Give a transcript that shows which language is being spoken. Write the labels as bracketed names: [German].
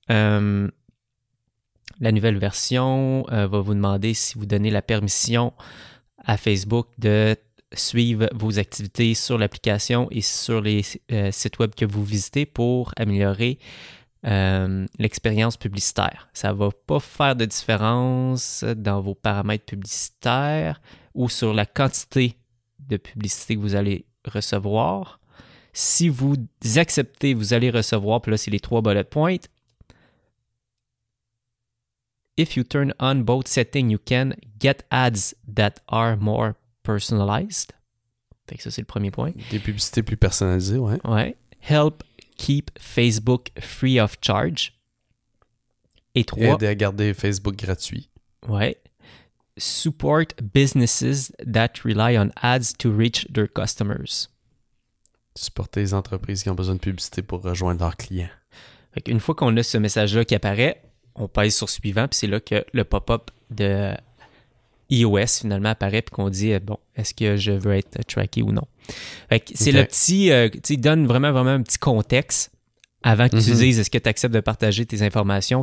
[French] La nouvelle version va vous demander si vous donnez la permission à Facebook de suivre vos activités sur l'application et sur les sites web que vous visitez pour améliorer l'expérience publicitaire. Ça ne va pas faire de différence dans vos paramètres publicitaires ou sur la quantité de publicité que vous allez recevoir. Si vous acceptez, vous allez recevoir, puis là, c'est les trois bullet points. [English] If you turn on both settings, you can get ads that are more personalized. [French] Fait que ça, c'est le premier point. Des publicités plus personnalisées, ouais. Ouais. [English] Help keep Facebook free of charge. [French] Et trois. Aider à garder Facebook gratuit. Ouais. [English] Support businesses that rely on ads to reach their customers. [French] Supporter les entreprises qui ont besoin de publicité pour rejoindre leurs clients. Fait qu'une fois qu'on a ce message-là qui apparaît, on passe sur suivant, puis c'est là que le pop-up de iOS finalement apparaît, puis qu'on dit bon, est-ce que je veux être tracké ou non? Fait que c'est okay. Le petit, tu sais, donne vraiment un petit contexte avant que tu dises est-ce que tu acceptes de partager tes informations.